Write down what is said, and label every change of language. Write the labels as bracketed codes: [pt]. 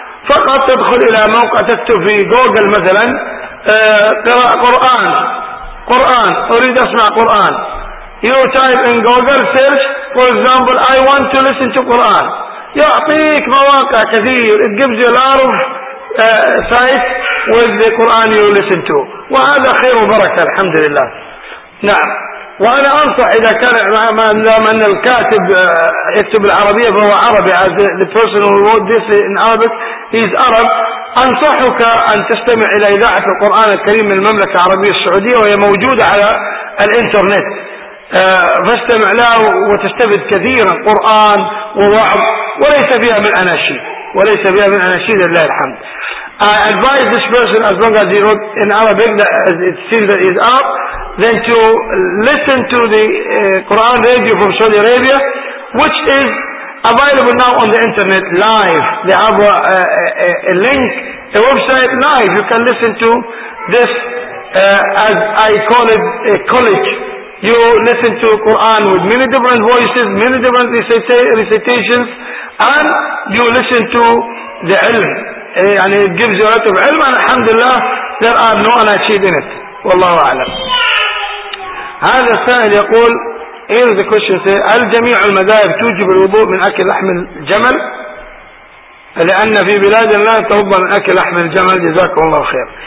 [ar] فقط تدخل إلى موقع، تكتب في جوجل مثلا قراء قرآن، قرآن أريد أسمع قرآن. [en] You type in Google search, for example, I want to listen to Quran. [ar] يعطيك مواقع كثير. [en] It gives you a lot of sites with the Quran you listen to. [ar] وهذا خير وبركة الحمد لله. نعم. وأنا أنصح إذا كان من الكاتب يكتب العربية فهو عربي، [en] as the person who wrote this in Arabic is Arab، [ar] أنصحك أن تستمع إلى إذاعة القرآن الكريم من المملكة العربية السعودية، وهي موجودة على الإنترنت، فاستمع له وتستفد كثيرا، قرآن ووعظ، وليس فيها من أناشيد، وليس فيها من أناشيد لله الحمد. [en] I advise this person, as long as he wrote in Arabic, that as it seems that he's out, then to listen to the Quran radio from Saudi Arabia, which is available now on the internet live. They have a link, a website live. You can listen to this, as I call it, a college. You listen to Quran with many different voices, many different recitations, and you listen to the ilm. يعني gives you a lot of علم. [ar] الحمد لله [en] there are no anashid in it. [ar] والله أعلم. هذا السائل يقول [en] in the question say, [ar] هل جميع المذاهب توجب الوضوء من أكل لحم الجمل؟ لأن في بلادنا لا تهب من أكل لحم الجمل، جزاكم الله خير.